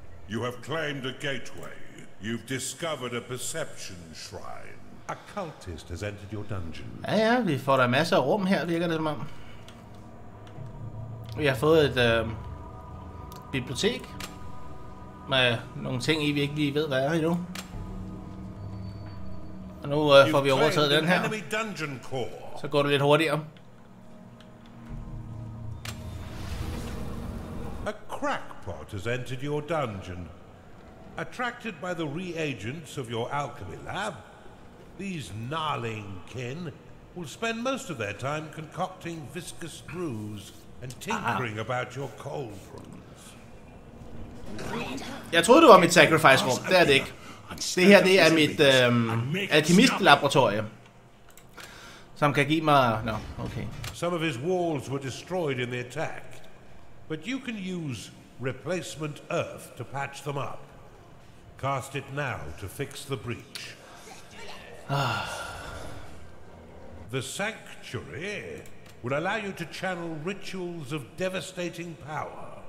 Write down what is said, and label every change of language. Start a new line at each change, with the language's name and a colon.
English: You have claimed a gateway. You've discovered a perception shrine. A cultist has entered your dungeon.
Danish: Ja, ja, vi får der masser af rum her, virker det som om. Vi har fået et bibliotek med nogle ting, I ikke lige ved, hvad er endnu. Og nu får vi overtaget den her. Så går det lidt hurtigere.
English: A crackpot has entered your dungeon. Attracted by the reagents of your alchemy lab, these gnarling kin will spend most of their time concocting viscous brews and tinkering about your cauldrons.
Danish: Jeg troede, det var mit sacrifice rum. Det er det ikke. Det her, det er mit alkemist-laboratorie, som kan give mig...
English: No, okay. Some of his walls were destroyed in the attack, but you can use replacement earth to patch them up. Cast it now to fix the breach. The sanctuary will allow you to channel rituals of devastating power.